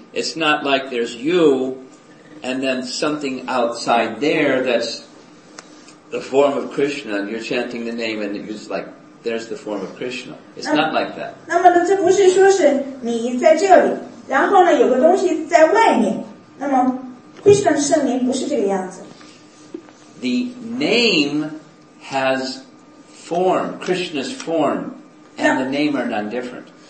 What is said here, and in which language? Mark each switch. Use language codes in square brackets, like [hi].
[en] It's not like there's you and then something outside there that's the form of Krishna and you're chanting the name and it's like, there's the form of Krishna. It's not like that. [zh] 那么这不是说是你在这里,然后呢,有个东西在外面。那么Krishna的圣名不是这个样子。 [en] The name has form, Krishna's form, and the name are none different.